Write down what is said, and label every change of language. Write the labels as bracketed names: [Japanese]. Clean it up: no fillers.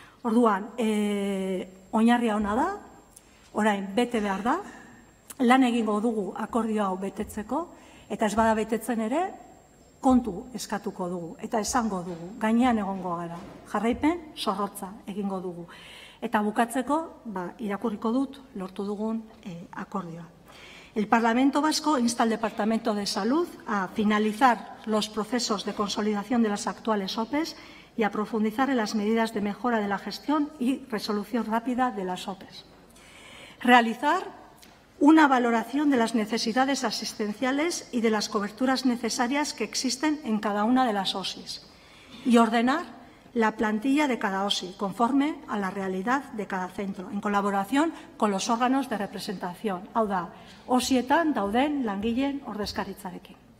[Basque] Orduan, oinarria ona da, orain, bete behar da, lan egingo dugu akordio hau betetzeko, eta ez bada betetzen ere, kontu eskatuko dugu, eta esango dugu, gainean egongo gara, jarraipen, zorrotza egingo dugu. Eta bukatzeko, irakurriko dut, lortu dugun akordioa. [Spanish] El Parlamento Vasco insta al Departamento de Salud a finalizar los procesos de consolidación de las actuales OPEs y a profundizar en las medidas de mejora de la gestión y resolución rápida de las OPEs. Realizar una valoración de las necesidades asistenciales y de las coberturas necesarias que existen en cada una de las OSIs y ordenar la plantilla de cada OSI conforme a la realidad de cada centro, en colaboración con los órganos de representación. [Basque] Hau da, OSIetan dauden langileen ordezkaritzarekin.